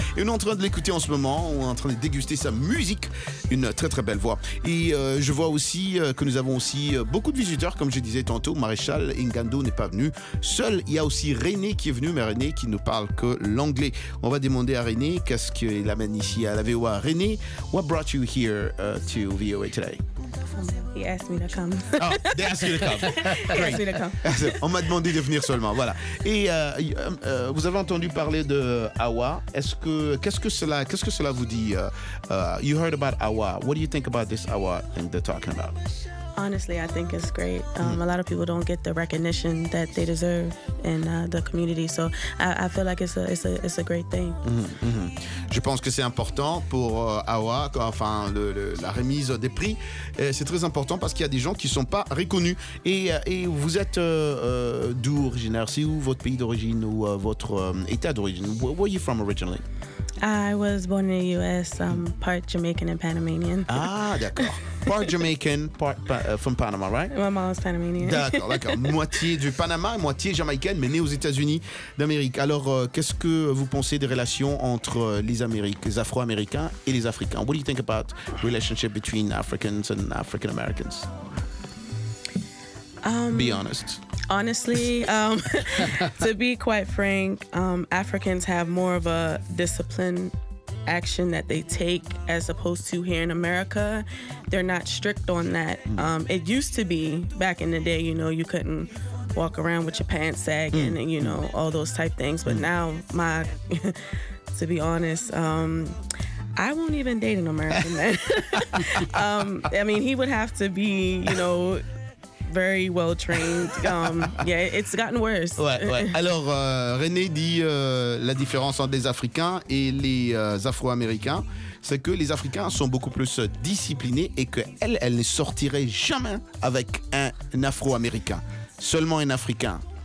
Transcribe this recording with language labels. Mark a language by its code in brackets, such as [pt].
[fr] Et on est en train de l'écouter en ce moment, on est en train de déguster sa musique, une très très belle voix. Et je vois aussi que nous avons aussi beaucoup de visiteurs, comme je disais tantôt, Maréchal Ngando n'est pas venu seul, il y a aussi René qui est venu, mais René qui ne parle que l'anglais. On va demander à René qu'est-ce qu'il amène ici à la VOA. [en] René, what brought you here to VOA today? He asked me to come. Oh, they asked you to come. He asked me to come. [fr] On m'a demandé de venir seulement, voilà. Et vous avez entendu parler de Awa. Qu'est-ce que cela vous dit? [en] You heard about Awa. What do you think about this Awa thing they're talking about? Honestly, I think it's great. A lot of people don't get the recognition that they deserve in the community, so I feel like it's a great thing. [fr] Je pense que c'est important pour Awa, enfin la remise des prix. Et c'est très important parce qu'il y a des gens qui sont pas reconnus. Et vous êtes d'où originaire? C'est où votre pays d'origine ou votre état d'origine? [en] Where were you from originally? I was born in the U.S., part Jamaican and Panamanian. [fr] Ah, d'accord. [en] Part Jamaican, part from Panama, right? My mom was Panamanian. [fr] D'accord. Moitié du Panama, moitié jamaïcaine, mais née aux États-Unis d'Amérique. Alors, qu'est-ce que vous pensez des relations entre les Afro-Américains et les Africains? [en] What do you think about relationship between Africans and African Americans? Be honest. Honestly, to be quite frank, Africans have more of a discipline action that they take as opposed to here in America. They're not strict on that. It used to be back in the day, you know, you couldn't walk around with your pants sagging and, you know, all those type things. But now my to be honest. I won't even date an American man. I mean, he would have to be, you know, very well trained. Yeah, it's gotten worse. [fr] Ouais, ouais. Alors, René dit la différence entre les Africains et les Afro-Américains, c'est que les Africains sont beaucoup plus disciplinés et qu'elle, elle ne sortirait jamais avec un Afro-Américain. Seulement un Africain.